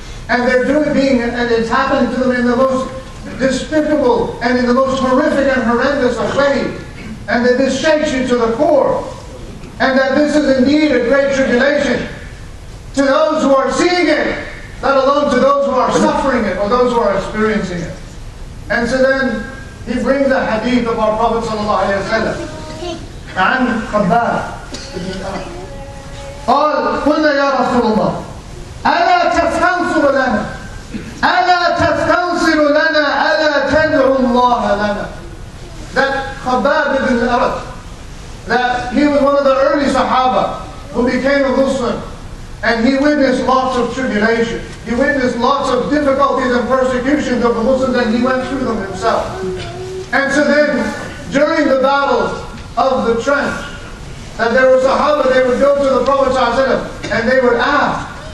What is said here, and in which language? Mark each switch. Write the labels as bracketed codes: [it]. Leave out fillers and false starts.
[en] And they're doing being, and it's happening to them in the most despicable and in the most horrific and horrendous of ways. And that this shakes you to the core. And that this is indeed a great tribulation to those who are seeing it, let alone to those who are suffering it or those who are experiencing it. And so then he brings the hadith of our Prophet sallallahu alaihi wasallam. [ar] عن قال قلنا يا رسول الله ألا تستنصر لنا ألا تستنصر لنا ألا تدعو الله لنا. [en] That Khabbab ibn al-Arat, that he was one of the early Sahaba who became a Muslim, and he witnessed lots of tribulation. He witnessed lots of difficulties and persecutions of the Muslims, and he went through them himself. And so then, during the battle of the trench, that there was a Sahaba, they would go to the Prophet ﷺ and they would ask.